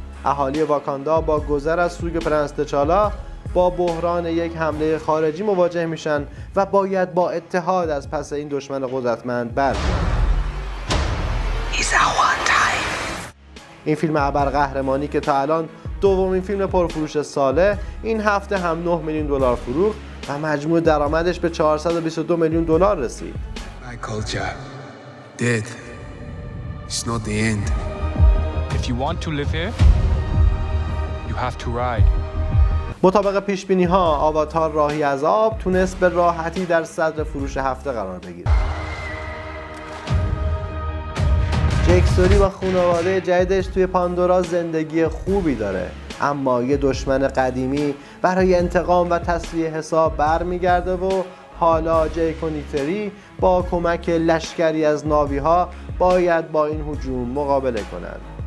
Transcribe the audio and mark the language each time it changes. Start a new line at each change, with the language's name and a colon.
Persian: اهالی واکاندا با گذر از سوگ پرنس تچالا با بحران یک حمله خارجی مواجه میشن و باید با اتحاد از پس این دشمن قدرتمند برگردن. این فیلم ابرقهرمانی که تا الان دومین فیلم پرفروش ساله، این هفته هم 9 میلیون دلار فروخت و مجموع درآمدش به 422 میلیون دلار رسید.
English: My culture, death, it's not the end. If you want to live here, you have to ride.
Persian: مطابق پیشبینی ها، آواتار راهی از آب تونست به راحتی در صدر فروش هفته قرار بگیره. جک سوری و خانواده جدیدش توی پاندورا زندگی خوبی داره. اما یه دشمن قدیمی برای انتقام و تسویه حساب بر میگرده و حالا جیک و نیتری با کمک لشکری از ناویها باید با این هجوم مقابله کنند.